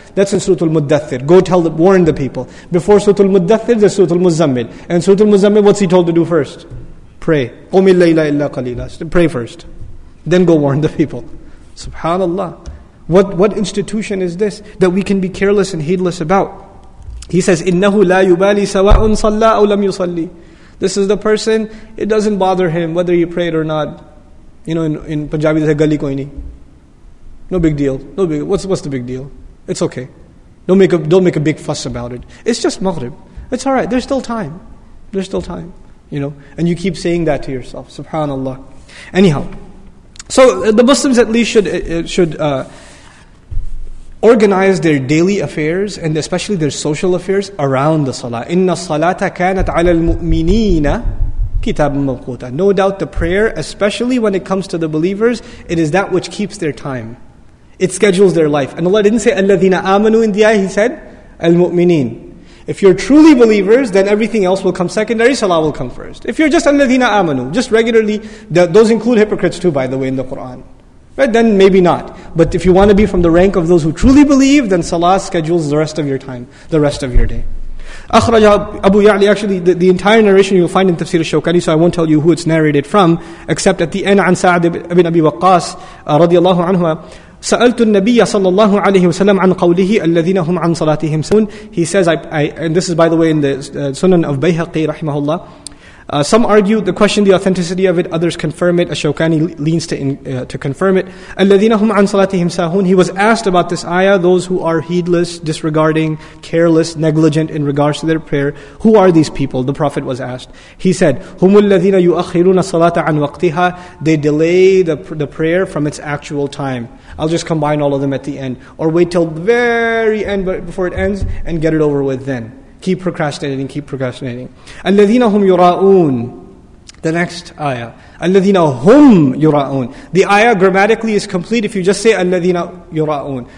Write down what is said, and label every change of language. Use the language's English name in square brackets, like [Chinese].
[English] That's in Surah Al-Muddathir. Go tell, warn the people. Before Surah Al-Muddathir, there's Surah Al-Muzzammil. And Surah Al-Muzzammil, what's he told to do first? Pray. [Arabic] قُمِ اللَّيْلَ إِلَّا قَلِيلًا. [English] Pray first. Then go warn the people. SubhanAllah. What institution is this that we can be careless and heedless about? He says, [Arabic] إِنَّهُ لَا يُبَالِي سَوَاءٌ صَلَّى أَوْ لَمْ يُصَلِّي. [English] This is the person, it doesn't bother him whether he prayed or not. You know, in Punjabi they say [Punjabi] gali koi nahi. [English] No big deal. No big, what's the big deal? It's okay. Don't make a big fuss about it. It's just Maghrib. It's alright. There's still time. There's still time. You know? And you keep saying that to yourself. SubhanAllah. Anyhow. So the Muslims at least should organize their daily affairs and especially their social affairs around the salah. [Arabic] Inna salata kanat ala al-mu'mineena. [English] No doubt the prayer, especially when it comes to the believers, it is that which keeps their time. It schedules their life. And Allah didn't say Alladhina amanu in the ayah, He said Al-Mu'mineen. If you're truly believers, then everything else will come secondary, salah will come first. If you're just Alladhina amanu, just regularly, those include hypocrites too, by the way, in the Quran. Right? Then maybe not. But if you want to be from the rank of those who truly believe, then salah schedules the rest of your time, the rest of your day. [Arabic] أخرج أبو يعلي, [English] actually the entire narration you'll find in Tafsir al-Shawkani, so I won't tell you who it's narrated from, except at the end, [Arabic] عن سعد بن أبي وقاص رضي الله عنه سألت النبي صلى الله عليه وسلم عن قوله الذين هم عن صلاتهم سون. [English] He says, I, and this is by the way in the Sunan of Bayhaqi رحمه الله. Some argue the question, the authenticity of it, others confirm it. Ash-Shawkani leans to confirm it. [Arabic] الَّذِينَ هُمْ عَنْ صَلَاتِهِمْ سَاهُونَ. [English] He was asked about this ayah, those who are heedless, disregarding, careless, negligent in regards to their prayer. Who are these people? The Prophet was asked. He said, [Arabic] هُمُ الَّذِينَ يُؤَخِّرُونَ الصَّلَاةَ عَنْ وَقْتِهَا. [English] They delay the prayer from its actual time. I'll just combine all of them at the end. Or wait till the very end before it ends and get it over with then. Keep procrastinating. [Arabic] الَّذِينَ هُمْ يُرَاؤُونَ. [English] The next ayah. [Arabic] الَّذِينَ هُمْ يُرَاؤُونَ. [English] The ayah grammatically is complete if you just say [Arabic] الَّذِينَ يُرَاؤُونَ.